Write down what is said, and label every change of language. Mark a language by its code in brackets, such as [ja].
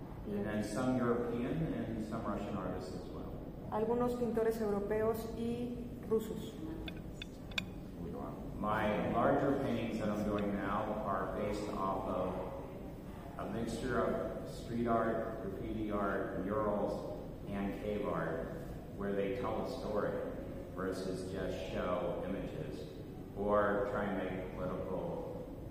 [en] And then some European and some Russian artists as well. [es] Algunos pintores europeos y rusos. [en] My larger paintings that I'm doing now are based off of a mixture of street art, graffiti art, murals, and cave art, where they tell a story versus just show images or try and make political,